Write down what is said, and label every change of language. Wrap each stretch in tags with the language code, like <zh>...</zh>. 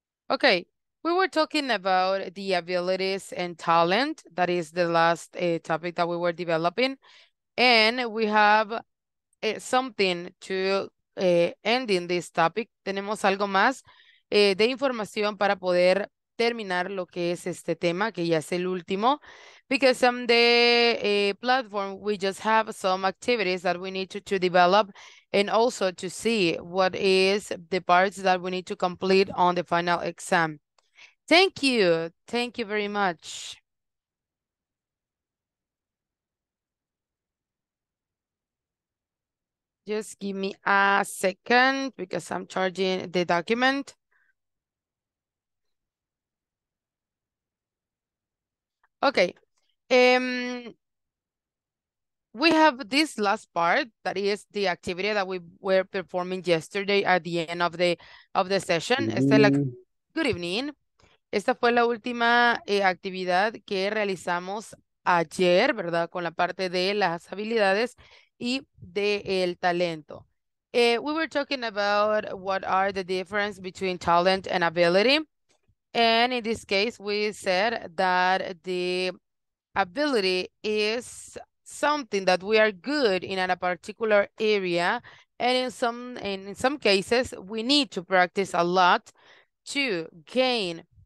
<en>Okay, we were talking about the abilities and talent. That is the last topic that we were developing. And we have something to end in this topic.</en> <es>Tenemos algo más de información para poder terminar lo que es este tema, que ya es el último.</es> <en>Because on the platform, we just have some activities that we need to develop and also to see what is the parts that we need to complete on the final exam. Thank you. Thank you very much. Just give me a second because I'm charging the document. Okay. We have this last part that is the activity that we were performing yesterday at the end of the session. Good evening.</en> <es>Esta fue la última actividad que realizamos ayer, ¿verdad? Con la parte de las habilidades y de el talento.</es> <en>We were talking about what are the difference between talent and ability. And in this case, we said that the ability is something that we are good in a particular area, and in some cases we need to practice a lot to gain</en>